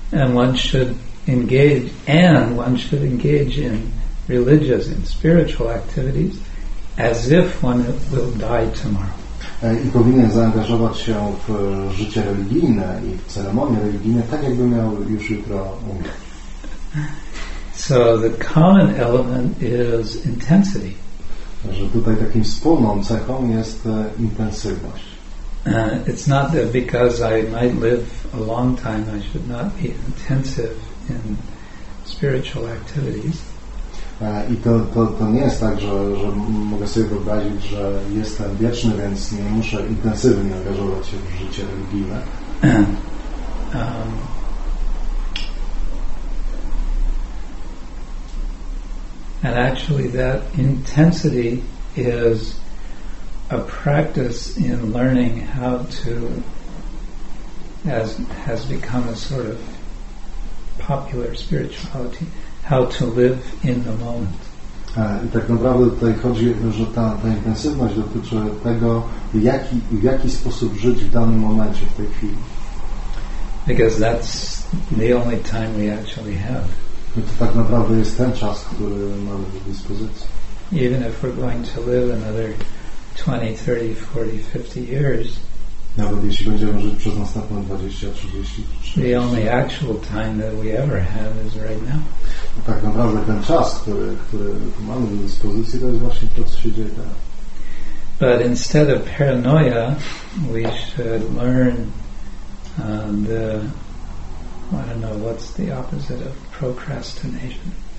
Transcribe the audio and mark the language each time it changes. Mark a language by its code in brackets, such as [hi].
[en] And one should engage, in religious and spiritual activities as if one will die tomorrow. [pl] I powinien zaangażować się w życie religijne i w ceremonie religijne, tak jakby miał już jutro umrzeć. [en] So the common element is intensity. [pl] Że tutaj takim wspólną cechą jest intensywność. [en] It's not that because I might live a long time I should not be intensive in spiritual activities. [pl] I to nie jest tak, że mogę sobie wyobrazić, że jestem wieczny, więc nie muszę intensywnie angażować się w życie religijne. [en] And actually that intensity is a practice in learning how to, as has become a sort of popular spirituality, how to live in the moment. [pl] I tak naprawdę tutaj chodzi, że ta intensywność dotyczy tego, w jaki sposób żyć w danym momencie, w tej chwili. [en] Because that's the only time we actually have. [pl] I to tak naprawdę jest ten czas, który mamy do dyspozycji. [en] Even if we're going to live another 20, 30, 40, 50 years, [pl] nawet jeśli będziemy żyć przez następne 20, 30, 40, [en] the only actual time that we ever have is right now. [pl] I tak naprawdę ten czas, który mamy do dyspozycji, to jest właśnie to, co się dzieje teraz. [en] But instead of paranoia, we should learn the, I don't know, what's the opposite of procrastination?